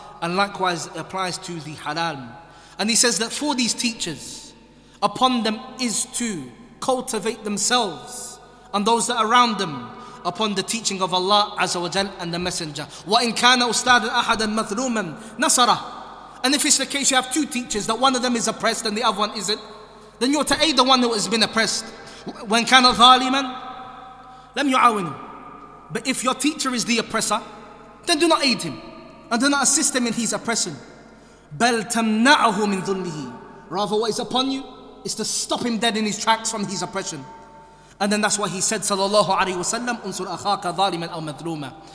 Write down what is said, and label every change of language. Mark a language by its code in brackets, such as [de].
[en] And likewise applies to the halal. And he says that for these teachers, upon them is to cultivate themselves and those that are around them upon the teaching of Allah Azza wa Jal and the Messenger. [ar] وَإِنْ كَانَ أُسْتَادًا أَحَدًا مَثْلُومًا نَصَرَهُ. [en] And if it's the case you have two teachers, that one of them is oppressed and the other one isn't, then you're to aid the one who has been oppressed. When [ar] كان ظالما لم يعاونه. [en] But if your teacher is the oppressor, then do not aid him and do not assist him in his oppression. [ar] بل تمنعه من ظلمه. [en] Rather, what is upon you is to stop him dead in his tracks from his oppression. And then that's why he said, sallallahu alayhi wa sallam, [ar] انصر أخاك ظالما أو مظلوما.